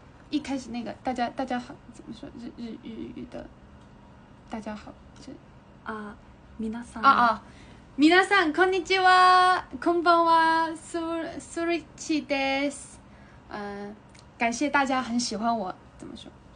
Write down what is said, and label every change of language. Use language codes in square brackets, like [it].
[zh] 一开始那个大家好，怎么说日语的？大家好，这 [ja] 啊，皆さん啊，皆さんこんにちは、こんばんは、スリッチです。 [zh] 感谢大家很喜欢我，怎么说？